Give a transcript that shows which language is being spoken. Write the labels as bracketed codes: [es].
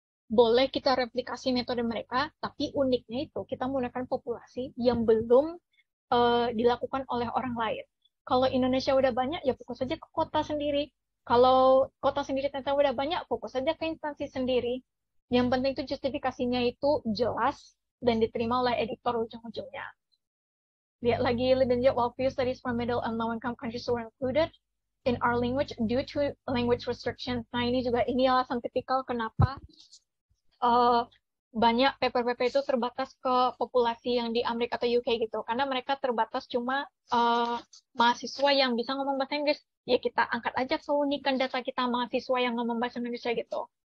[id] Boleh kita replikasi metode mereka, tapi uniknya itu kita menggunakan populasi yang belum dilakukan oleh orang lain. Kalau Indonesia udah banyak, ya fokus aja ke kota sendiri. Kalau kota sendiri ternyata udah banyak, fokus aja ke instansi sendiri. Yang penting itu justifikasinya itu jelas dan diterima oleh editor ujung-ujungnya. [en] Lihat lagi, while few studies from middle and low-income countries were included in our language due to language restrictions. [id] Nah, ini juga ini alasan tipikal kenapa banyak paper-paper itu terbatas ke populasi yang di Amerika atau UK gitu. Karena mereka terbatas cuma mahasiswa yang bisa ngomong bahasa Inggris. Ya kita angkat aja keunikan data kita mahasiswa yang ngomong bahasa Indonesia gitu.